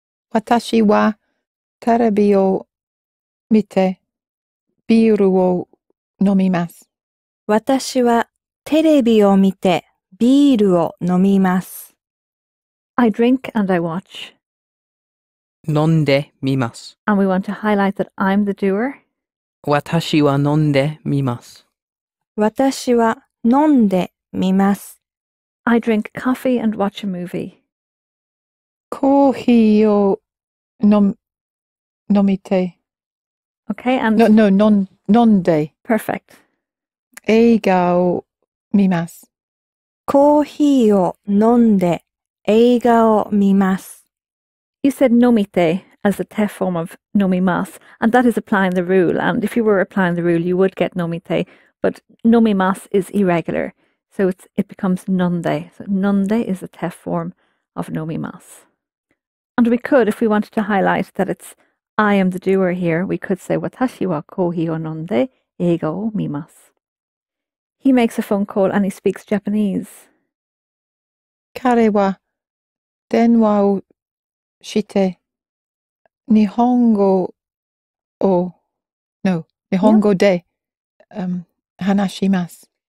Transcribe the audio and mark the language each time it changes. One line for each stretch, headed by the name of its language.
Japanese: 私はテレビを見てビールを飲みます。私はテレビを見てビールを飲みます。
English: I drink and I watch.
Japanese: 飲んでみます。
English: And we want to highlight that I'm the doer.
Japanese: 私は飲んでみます。私は飲んでみます。
English: I drink coffee and watch a movie.
Japanese: コーヒーを飲みて。
English: Okay, and... No, 飲んで。 Perfect.
Japanese: 映画を見ます。コーヒーを飲んで映画を見ます。
English: You said 飲みて as a te form of 飲みます。And that is applying the rule. And if you were applying the rule, you would get 飲みて. But 飲みます is irregular. So it becomes 飲んで. So 飲んで is a te form of 飲みます.And we could, if we wanted to highlight that it's I am the doer here, we could say
Japanese: 私はコーヒーを飲んで映画を見ます.
English: He makes a phone call and he speaks Japanese.
Japanese: 彼は電話をして日本語を日本語で話します.